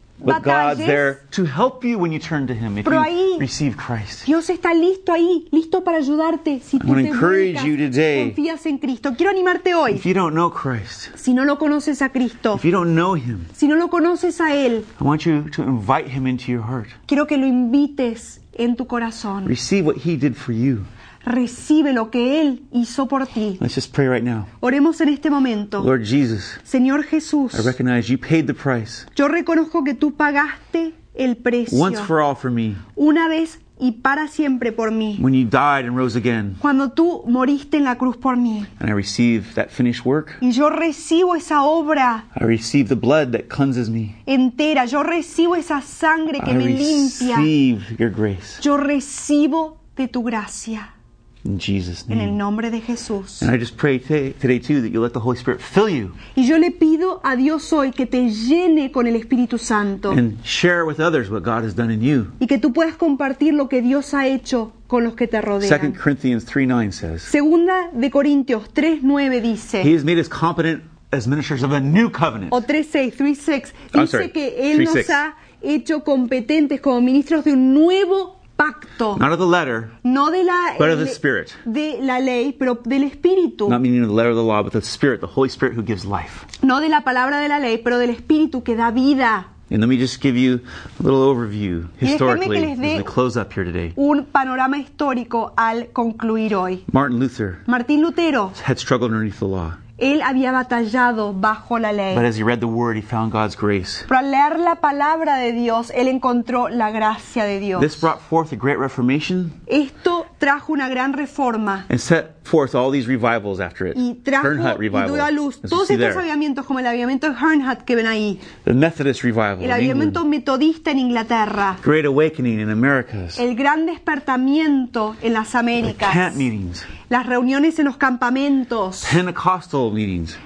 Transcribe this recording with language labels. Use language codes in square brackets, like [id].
[en] but God's there to help you when you turn to him if [es] pero ahí, [en] receive Christ. [es] Dios está listo ahí, listo para ayudarte si [en] I'm [es] tú te [en] encourage you today. [es] Confías en Cristo. Quiero animarte hoy. [en] If you don't know Christ. [es] Si no lo conoces a Cristo. [en] If you don't know him. [es] Si no lo conoces a él. [en] I want you to invite him into your heart. [es] Quiero que lo invites en tu corazón. [en] Receive what he did for you. [es] Recibe lo que él hizo por ti. [en] Let's just pray right now. [es] Oremos en este momento. [en] Lord Jesus. [es] Señor Jesús. [en] I recognize you paid the price. [es] Yo reconozco que tú pagaste el precio. [en] Once for all for me. [es] Una vez y para siempre por mí. [en] When you died and rose again. [es] Cuando tú moriste en la cruz por mí. [en] And I receive that finished work. [es] Y yo recibo esa obra. [en] I receive the blood that cleanses me. [es] Entera. Yo recibo esa sangre que [en] I [es] me limpia. [en] I receive your grace. [es] Yo recibo de tu gracia. [en] In Jesus' name. [es] En el nombre de Jesús. [en] And I just pray today too that you let the Holy Spirit fill you. [es] Y yo le pido a Dios hoy que te llene con el Espíritu Santo. [en] And share with others what God has done in you. [es] Y que tú puedas compartir lo que Dios ha hecho con los que te rodean. [en] 2 Corinthians 3:9 says. [es] Segunda de Corintios 3:9 dice. [en] He has made us competent as ministers of a new covenant. [es] O 3:6 dice que él nos ha hecho competentes como ministros de un nuevo pacto. [en] Not of the letter, [es] no de la, [en] but of the Spirit. [es] De la ley, pero del Espíritu. [en] Not meaning of the letter of the law, but the Spirit, the Holy Spirit who gives life. [es] No de la palabra de la ley, pero del Espíritu que da vida. [en] And let me just give you a little overview historically as we close up here today. [es] Un panorama histórico al concluir hoy. [en] Martin Luther. [es] Martín Lutero. [en] Had struggled underneath the law. [es] Él había batallado bajo la ley. [en] But as he read the word, he found God's grace. [es] Pero al leer la palabra de Dios, él encontró la gracia de Dios. [en] This brought forth a great reformation. [es] Esto trajo una gran reforma. [en] And set forth all these revivals after it. [es] Y trajo Hernhut [en] revival, [es] y dio a luz todos estos avivamientos como el avivamiento de Hernhut que ven ahí. [en] The Methodist revival. [es] El avivamiento metodista en Inglaterra. [en] Great awakening in Americas. [es] El gran despertamiento en las Américas. [en] The camp meetings. [es] Las reuniones en los campamentos. [en] Pentecostal meetings.